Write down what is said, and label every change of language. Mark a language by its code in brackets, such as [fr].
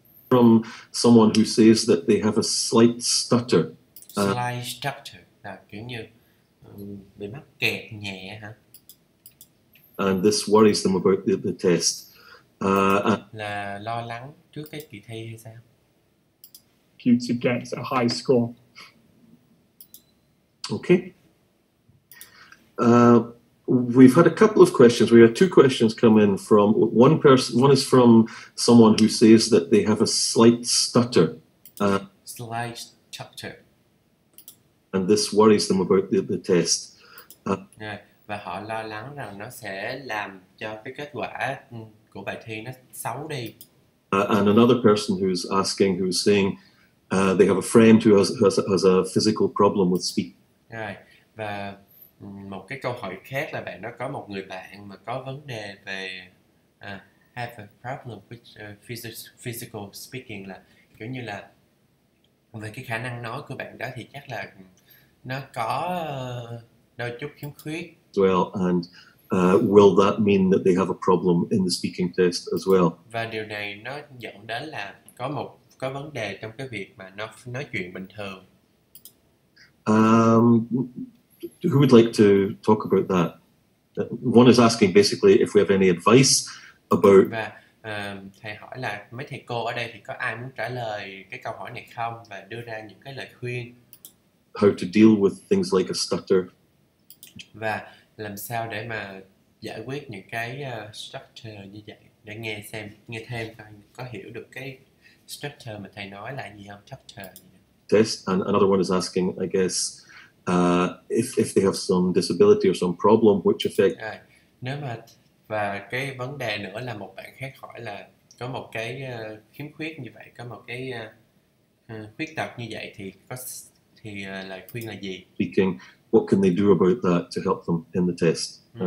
[en] From someone who says that they have a slight stutter. Slight stutter. [vi] Là kiểu như bị mắc kẹt nhẹ hả? [en] And this worries them about the test. [vi] Là lo lắng trước cái kỳ thi hay sao? [en] Due to get a high score. Okay. We've had a couple of questions. We had two questions come in from one person. One is from someone who says that they have a slight stutter. Slight stutter. And this worries them about the test. [vi] Và họ lo lắng rằng nó sẽ làm cho cái kết quả của bài thi nó xấu đi. [en] And another person who's asking, who's saying they have a friend who has a physical problem with speaking. [vi] Và một cái câu hỏi khác là bạn nó có một người bạn mà có vấn đề về [en] have a problem with physical speaking, [vi] là kiểu như là về cái khả năng nói của bạn đó thì chắc là nó có đôi chút khiếm khuyết. [en] Well, and will that mean that they have a problem in the speaking test as well? [vi] Và điều này nó dẫn đến là có vấn đề trong cái việc mà nó nói chuyện bình thường. [en] Who would like to talk about that? One is asking basically if we have any advice about. [vi] Và thầy hỏi là mấy thầy cô ở đây thì có ai muốn trả lời cái câu hỏi này không và đưa ra những cái lời khuyên. [en] How to deal with things like a stutter. [vi] Và làm sao để mà giải quyết những cái structure như vậy, để nghe xem, nghe thêm coi có hiểu được cái structure mà thầy nói là gì không, structure. [en] Test, and another one is asking, I guess, if they have some disability or some problem which affect. [vi] Nếu mà, và cái vấn đề nữa là một bạn khác hỏi là có một cái khiếm khuyết như vậy, có một cái khuyết tật như vậy thì có thì lời khuyên là gì? [en] Speaking. What can they do about that to help them in the test?